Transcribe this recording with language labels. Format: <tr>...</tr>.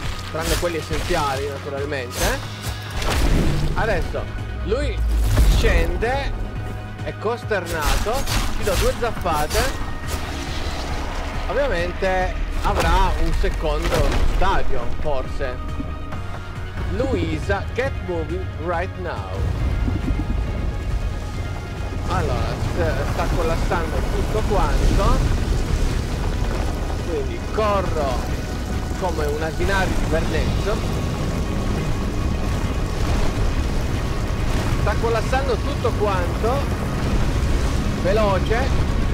<it>Tranne quelli essenziali, naturalmente. Adesso lui scende, è costernato, gli do due zappate. Ovviamente avrà un secondo stadio, forse.</it> <en>Luisa, get moving right now.</en> <it>Allora, sta collassando tutto quanto. Quindi corro come un asinario di Bernezzo. Sta collassando tutto quanto. Veloce.</it>